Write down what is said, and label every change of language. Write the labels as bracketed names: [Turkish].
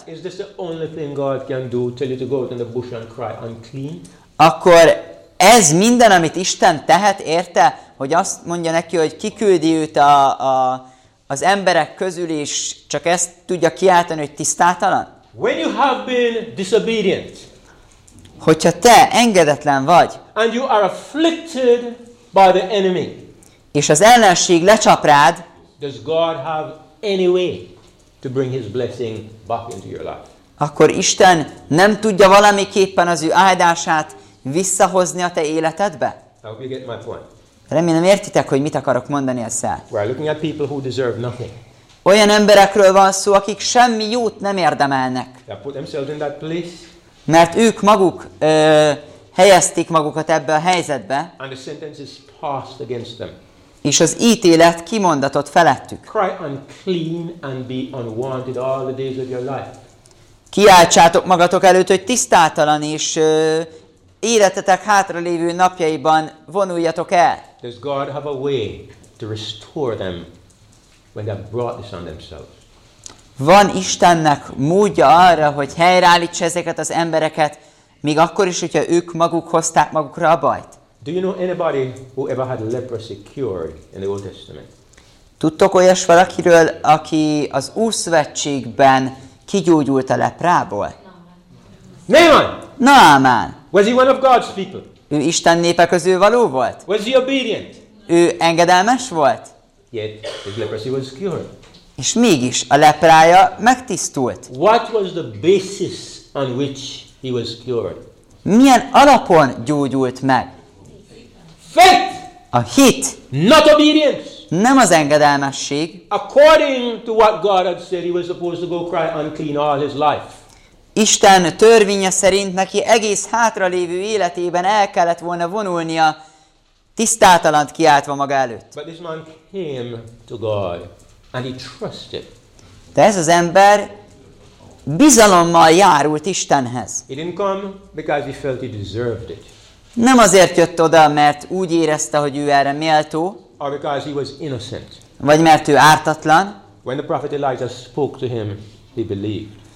[English] is this the only thing God can do, tell you to go out in the bush and cry unclean? [Hungarian] Akkor ez minden, amit Isten tehet, érte, hogy azt mondja neki, hogy kiküldi őt az emberek közül, és csak ezt tudja kiáltani, hogy tisztátalan? [English] When you have been disobedient, [Hungarian] hogyha te engedetlen vagy, [English] and you are afflicted by the enemy, [Hungarian] és az ellenség lecsap rád, [English] does God have any way to bring his blessing back into your life? [Hungarian] Akkor Isten nem tudja valamiképpen az ő áldását visszahozni a te életedbe? [English] I hope you get my point. [Hungarian] Remélem értitek, hogy mit akarok mondani ezzel. [English] We are looking at people who deserve nothing. [Hungarian] Olyan emberekről van szó, akik semmi jót nem érdemelnek. [English] They put themselves in that place. [Hungarian] Mert ők maguk helyezték magukat ebbe a helyzetbe. [English] And the sentence is passed against them. [Hungarian] És az ítélet kimondatott felettük. [English] Cry unclean and be unwanted all the days of your life. [Hungarian] Kiáltsátok magatok előtt, hogy tisztátalan és életetek hátralévő napjaiban vonuljatok el. [English] Does God have a way to restore them when they brought this on themselves? [Hungarian] Van Istennek módja arra, hogy helyreállítsa ezeket az embereket, még akkor is, hogyha ők maguk hozták magukra a bajt? [English] Do you know anybody who ever had leprosy cured in the Old Testament? [Hungarian] Tudtok olyas valakiről, aki az Ószövetségben kigyógyult a leprából? [English] Naaman. [Hungarian] Naaman. [English] Was he one of God's people? [Hungarian] Ő Isten népe közül való volt? [English] Was he obedient? [Hungarian] Ő engedelmes volt? [English] Yet his leprosy was cured. [Hungarian] És mégis a leprája megtisztult. [English] What was the basis on which He was cured. [Hungarian] Milyen alapon gyógyult meg? [English] Faith. [Hungarian] A hit. [English] Not obedience. [Hungarian] Nem az engedelmesség. [English] According to what God had said, he was supposed to go cry unclean all his life. [Hungarian] Isten törvénye szerint neki egész hátralévő életében el kellett volna vonulnia, tisztátalant kiáltva maga előtt. [English] But this man came to God, and he trusted. [Hungarian] De ez az ember bizalommal járult Istenhez. [English] He didn't come because he felt he deserved it. [Hungarian] Nem azért jött oda, mert úgy érezte, hogy ő erre méltó. [English] Or because he was innocent. [Hungarian] Vagy mert ő ártatlan. [English] When the prophet Elijah spoke to him, he believed.